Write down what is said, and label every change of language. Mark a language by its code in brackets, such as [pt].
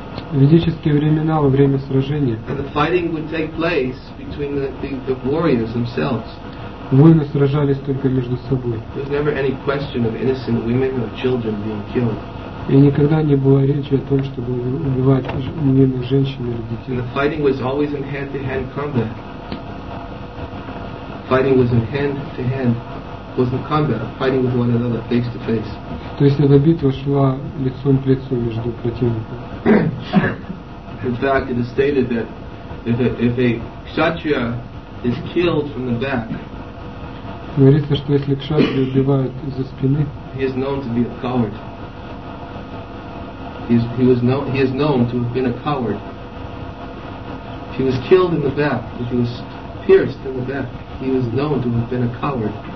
[ru] В ведические времена, во время сражения. [en] And the fighting would take place between the warriors themselves. [ru] Воины сражались только между собой. [en] There was never any question of innocent women or children being killed. [ru] И никогда не было речи о том, чтобы убивать невинных женщин или детей. [en] And the fighting was always in hand-to-hand combat. Fighting was in hand-to-hand. Wasn't combat. Fighting with one another face-to-face. [ru] То есть эта битва шла лицом к лицу между противниками. [en] In fact, it is stated that if a kshatriya is killed from the back, [ru] говорится, что если кшатрию убивают из-за спины, [en] he is known to be a coward. He is known to have been a coward. If he was killed in the back, if he was pierced in the back, he was known to have been a coward.